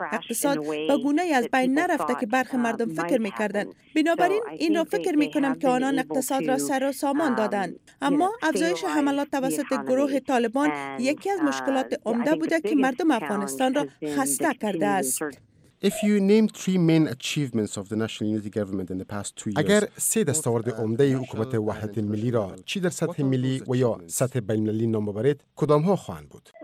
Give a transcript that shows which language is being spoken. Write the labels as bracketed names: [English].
[Persian] اقتصاد به گونه ای از بین نرفته که برخی مردم فکر می کردند. بنابراین این را فکر می کنم که آنان اقتصاد را سر و سامان دادند. اما افزایش حملات توسط گروه طالبان یکی از مشکلات عمده بوده که مردم افغانستان را خسته کرده است. [English] If you name three main achievements of the National Unity Government in the past 2 years, [Persian] اگر سه دستاورد عمده حکومت وحدت ملی را چی در سطح ملی و یا سطح بین المللی نام ببرید، کدام ها خواهند بود؟